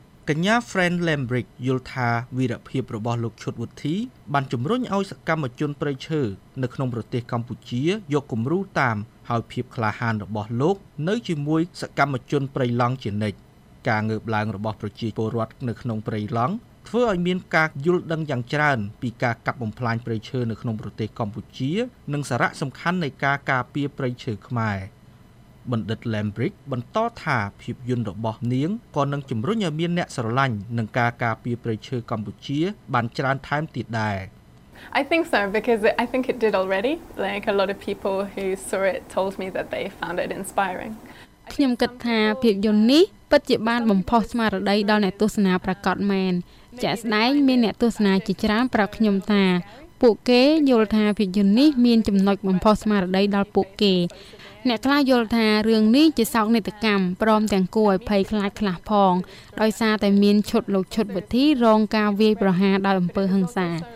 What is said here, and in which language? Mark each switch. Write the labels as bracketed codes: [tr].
[km] កញ្ញា Friend Lambrick យល់ថាវីរភាពរបស់លោកឈុតវុធីបានជំរុញឲ្យសកម្មជនប្រៃឈើនៅក្នុងប្រទេសកម្ពុជាយកគំរូតាមហើយភាពក្លាហានរបស់លោកនៅជាមួយសកម្មជនប្រៃឡង់ជានិច្ចការងើបឡើងរបស់ប្រជាពលរដ្ឋនៅក្នុងប្រៃឡង់ធ្វើឲ្យមានការយល់ដឹងយ៉ាងច្រើនពីការកាប់បំផ្លាញប្រៃឈើនៅក្នុងប្រទេសកម្ពុជានិងសារៈសំខាន់នៃការការពារប្រៃឈើខ្មែរ បណ្ឌិត Lambrick បន្តថាភាពយន្តរបស់នាងក៏នឹងជំរុញឲ្យមានអ្នកស្រឡាញ់នឹងការការពារព្រៃឈើកម្ពុជាបានច្រើនថែមទៀតដែរ [en] I think so because I think it did already like a lot of people who saw it told me that they found it inspiring [km] ខ្ញុំគិតថាភាពយន្តនេះពិតជាបានបំផុសស្មារតីដល់អ្នកទស្សនាប្រកបមែនជាក់ស្ដែងមានអ្នកទស្សនាជាច្រើនប្រាប់ខ្ញុំថាពួកគេយល់ថាភាពយន្តនេះមានចំណុចបំផុសស្មារតីដល់ពួកគេ អ្នកខ្លះយល់ថារឿងនេះជាសោកនាដកម្មព្រមទាំងគួរឲ្យភ័យខ្លាចខ្លះផងដោយសារតែមានឈុតលោកឈុតវិធីរងការវាយប្រហារដោយអំពើហិង្សា